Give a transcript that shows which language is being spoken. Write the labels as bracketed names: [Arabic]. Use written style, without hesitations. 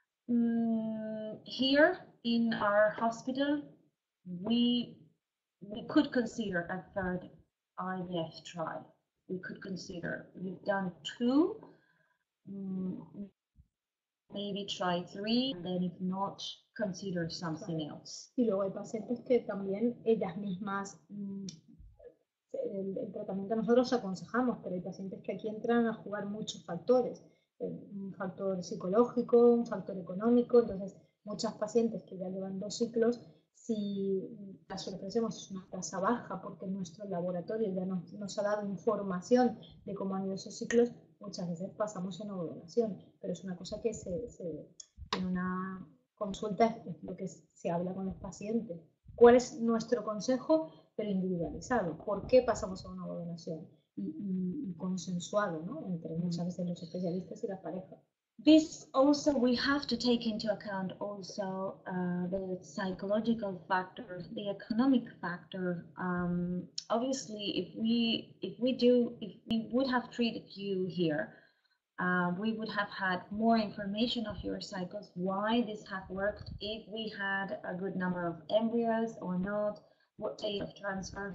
[English] Here in our hospital, we could consider a third IVF try. We could consider, we've done 2, maybe try 3, and then if not, consider something else. [Spanish] Y luego hay pacientes que también ellas mismas, el tratamiento nosotros aconsejamos, pero hay pacientes que aquí entran a jugar muchos factores. Un factor psicológico, un factor económico. Entonces, muchas pacientes que ya llevan 2 ciclos, si las ofrecemos una tasa baja porque nuestro laboratorio ya nos ha dado información de cómo han ido esos ciclos, muchas veces pasamos a ovodonación. Pero es una cosa que se en una consulta es lo que se habla con los pacientes. ¿Cuál es nuestro consejo? Pero individualizado. ¿Por qué pasamos a una ovodonación? Y consensuado, ¿no? Entre muchas veces los especialistas y la pareja. [English] This also we have to take into account also the psychological factor, the economic factor. Obviously, if we would have treated you here, we would have had more information of your cycles, why this had worked, if we had a good number of embryos or not, what date of transfer.